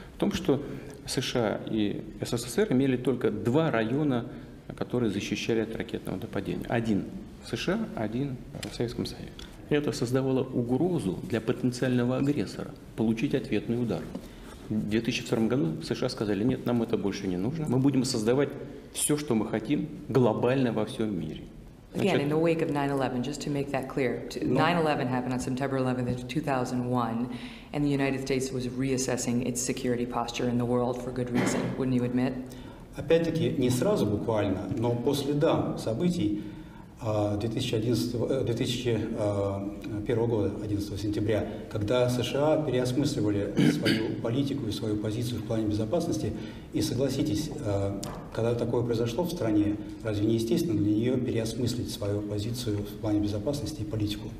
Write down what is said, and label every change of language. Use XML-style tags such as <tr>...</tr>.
<ru>В том, что США и СССР имели только два района, которые защищали от ракетного нападения. Один в США, один в Советском Союзе. Это создавало угрозу для потенциального агрессора получить ответный удар. В 2002 году США сказали, нет, нам это больше не нужно. Мы будем создавать все, что мы хотим, глобально во всем мире.</ru> <en>Again, in the wake of 9/11, just to make that clear, 9/11 happened on September 11th, 2001, and the United States was reassessing its security posture in the world for good reason, wouldn't you admit?</en> <ru>Опять-таки, не сразу буквально, но по следам событий 2001 года, 11 сентября, когда США переосмысливали свою политику и свою позицию в плане безопасности, и согласитесь, когда такое произошло в стране, разве не естественно для нее переосмыслить свою позицию в плане безопасности и политику?</ru>